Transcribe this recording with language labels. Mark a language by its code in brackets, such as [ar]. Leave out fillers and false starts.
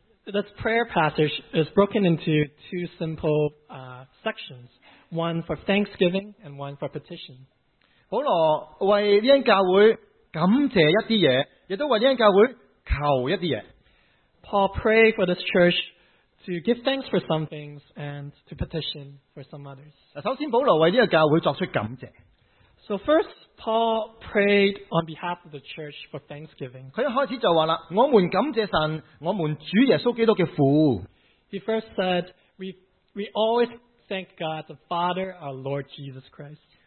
[en] This prayer passage is broken into two simple sections, one for thanksgiving and one for petition. [zh] 保罗为这间教会感谢一些东西,也都为这间教会求一些东西。Paul [en] prayed for this church to give thanks for some things and to petition for some others. [zh] 首先保罗为这个教会作出感谢。 [en] So first, Paul prayed on behalf of the church for thanksgiving. [zh] 他一开始就说了,我们感谢神,我们主耶稣基督的父。 [en] He first said, we always thank God, the Father, our Lord Jesus Christ.